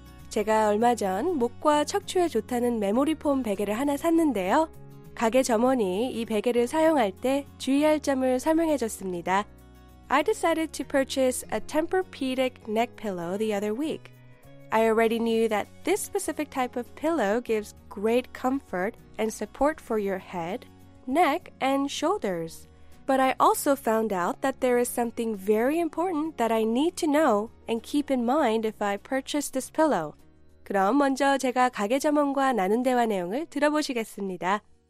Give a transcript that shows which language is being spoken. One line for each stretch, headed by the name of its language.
Korean: 제가 얼마 전 목과 척추에 좋다는 메모리 폼 베개를 하나 샀는데요. 가게 점원이 이 베개를 사용할 때 주의할 점을 설명해 줬습니다.
English: I decided to purchase a Tempur-Pedic neck pillow the other week. I already knew that this specific type of pillow gives great comfort and support for your head, neck, and shoulders. But I also found out that there is something very important that I need to know and keep in mind if I purchase this pillow.
Korean: 그럼 먼저 제가 가게 점원과 나눈 대화 내용을 들어보시겠습니다.